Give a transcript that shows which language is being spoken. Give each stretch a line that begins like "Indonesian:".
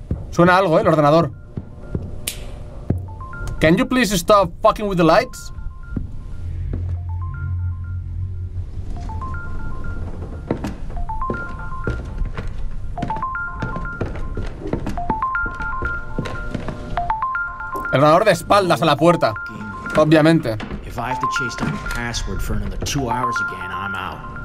Spanish: Suena algo, el ordenador.
English: Can you please stop fucking with the lights?
Spanish: El ordenador de espaldas a la puerta. Obviamente.
English: If I have to chase down the password for another 2 hours again, I'm out.